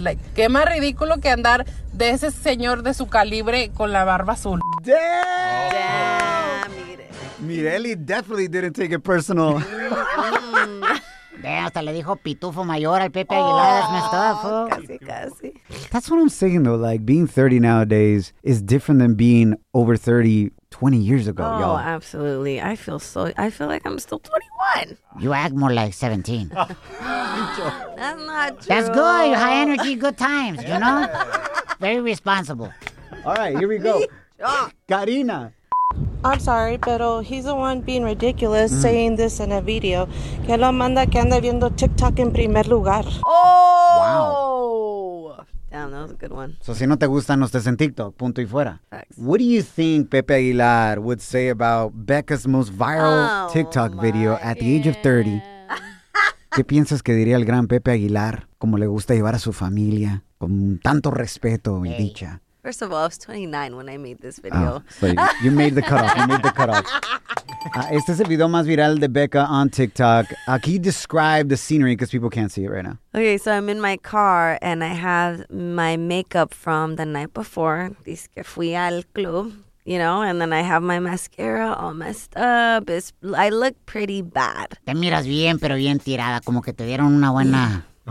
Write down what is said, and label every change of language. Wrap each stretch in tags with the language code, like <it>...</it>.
<es>Like, ¿qué más ridículo que andar de ese señor de su calibre con la barba azul?</es> <en>Damn! Damn. Mireli definitely didn't take it personal.</en> <es>Damn, hasta le dijo pitufo mayor al Pepe Aguilar. Oh, casi, casi.</es> <en>That's what I'm saying, though. Like, being 30 nowadays is different than being over 30 20 years ago, oh, y'all. Oh, absolutely. I feel like I'm still 21. You act more like 17. That's not true. That's good. You're high energy, good times, you know? Very responsible. All right, here we go. Karina. I'm sorry, pero he's the one being ridiculous saying this in a video.</en> <es>Que lo manda que anda viendo TikTok en primer lugar.</es> <en>Oh! Wow. Damn, that was a good one.</en> <es>So, si no te gusta, no estés en TikTok. Punto y fuera.</es> <en>Facts. What do you think Pepe Aguilar would say about Becca's most viral TikTok video at the age of 30?</en> <es>¿Qué piensas que diría el gran Pepe Aguilar? Como le gusta llevar a su familia con tanto respeto y dicha.</es> <en>First of all, I was 29 when I made this video. Oh, so you made the cutoff. You made the cutoff.</en> <es>Este es el video más viral de Becca on TikTok.</es> <en>Can you describe the scenery because people can't see it right now? Okay, so I'm in my car and I have my makeup from the night before.</en> <es>Dice que fui al club,</es> <en>you know, and then I have my mascara all messed up. I look pretty bad.</en> <es>Te miras bien, pero bien tirada. Como que te dieron una buena...</es>